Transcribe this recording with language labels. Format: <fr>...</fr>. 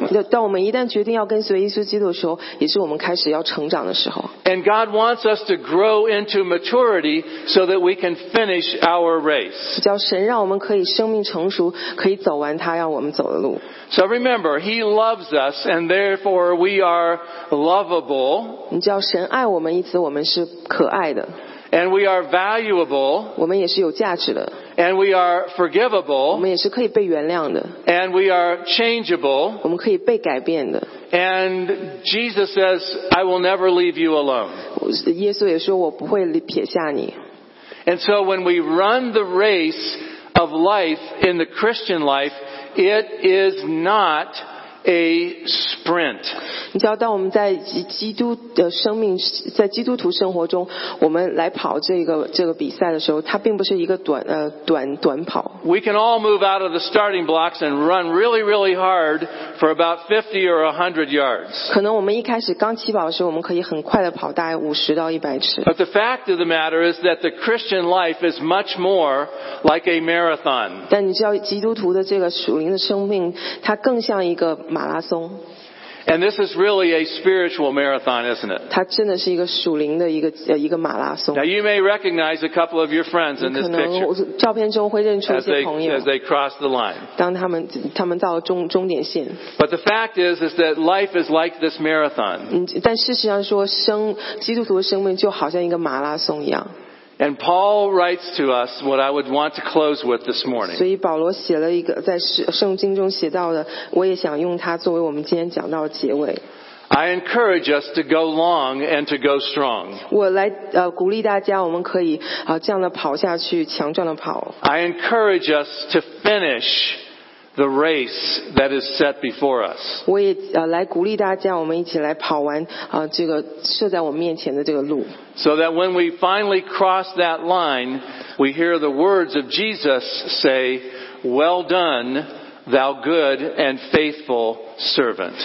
<zh>当我们一旦决定要跟随耶稣基督的时候，也是我们开始要成长的时候。</zh> <en>And God wants us to grow into maturity so that we can finish our race.</en> <zh>叫神让我们可以生命成熟，可以走完他要我们走的路。</zh> <en>So remember, He loves us, and therefore we are lovable.</en> <zh>你叫神爱我们，因此我们是可爱的。</zh> <en>And we are valuable.</en> <zh>我们也是有价值的。</zh> <en>And we are forgivable.</en> <zh>我们也是可以被原谅的。</zh> <en>And we are changeable.</en> <zh>我们可以被改变的。</zh> <en>And Jesus says, "I will never leave you alone."</en> <zh>耶稣也说我不会撇下你。</zh> <en>And so when we run the race of life in the Christian life, it is not a sprint.</en> <zh>你知道，当我们在基督的生命，在基督徒生活中，我们来跑这个比赛的时候，它并不是一个短跑。</zh> <en>We can all move out of the starting blocks and run really, really hard for about 50 or 100 yards.</en> <zh>可能我们一开始刚起跑的时候，我们可以很快的跑大概50到100尺。</zh> <en>But the fact of the matter is that the Christian life is much more like a marathon.</en> <zh>但你知道，基督徒的这个属灵的生命，它更像一个马拉松。</zh> <en>And this is really a spiritual marathon, isn't it?</en> <zh>它真的是一个属灵的一个马拉松。</zh> <en>Now you may recognize a couple of your friends in this picture.</en> <zh>可能照片中会认出一些朋友。</zh> <en>As they cross the line.</en> <zh>当他们到终点线。</zh> <en>But the fact is that life is like this marathon.</en> <zh>但事实上说，基督徒的生命就好像一个马拉松一样。</zh> <en>And Paul writes to us what I would want to close with this morning.</en> <zh>所以保罗写了一个在圣经中写到的，我也想用它作为我们今天讲到的结尾。</zh> <en>I encourage us to go long and to go strong.</en> <zh>我来鼓励大家，我们可以这样的跑下去，强壮的跑。</zh> <en>I encourage us to finish the race that is set before us.</en> <zh>我也来鼓励大家，我们一起来跑完这个设在我们面前的这个路。</zh> <en>So that when we finally cross that line, we hear the words of Jesus say, "Well done, thou good and faithful servant."</en>